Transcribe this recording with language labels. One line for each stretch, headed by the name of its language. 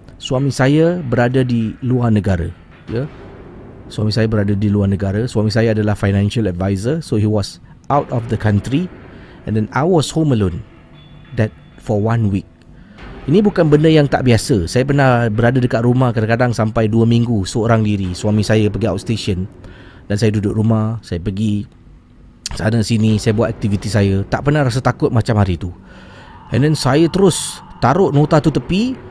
Malay: Suami saya berada di luar negara. Suami saya berada di luar negara. Suami saya adalah
English: financial advisor. So he was out of the country. And then I was home alone that for one week.
Malay: Ini bukan benda yang tak biasa. Saya pernah berada dekat rumah kadang-kadang sampai 2 minggu seorang diri. Suami saya pergi outstation dan saya duduk rumah, saya pergi sana sini, saya buat aktiviti saya. Tak pernah rasa takut macam hari itu.
English: And then
Malay: saya terus taruh nota tu tepi.